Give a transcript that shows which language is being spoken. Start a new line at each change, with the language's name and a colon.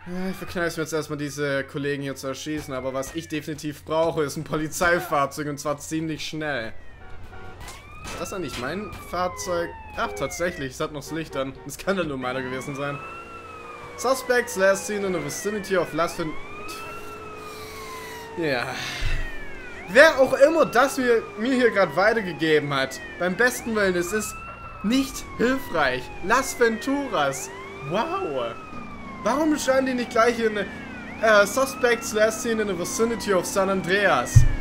German: Ich verkneife mir jetzt erstmal diese Kollegen hier zu erschießen, aber was ich definitiv brauche, ist ein Polizeifahrzeug und zwar ziemlich schnell. Ist das eigentlich mein Fahrzeug? Ach, tatsächlich, es hat noch das Licht an. Das kann dann nur meiner gewesen sein.
English: Suspects last seen in the vicinity of last fin.
German: Ja. Wer auch immer das mir hier gerade weitergegeben hat, beim besten Willen, es ist nicht hilfreich. Las Venturas. Wow. Warum scheinen die nicht gleich in
English: Suspects last seen in the vicinity of San Andreas?